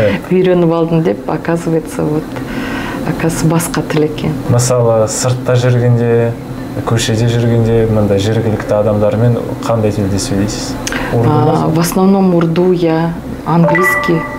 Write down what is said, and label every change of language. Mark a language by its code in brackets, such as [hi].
[kk] Үйреніп алдым деп, [ru] оказывается, вот. Оказывается, [kk] басқа тіл екен. Мысалы, сыртта жүргенде, көшеде жүргенде, мында жергілікті адамдармен қандай тілде сөйлейсіз? [ru] В основном урду, я английский.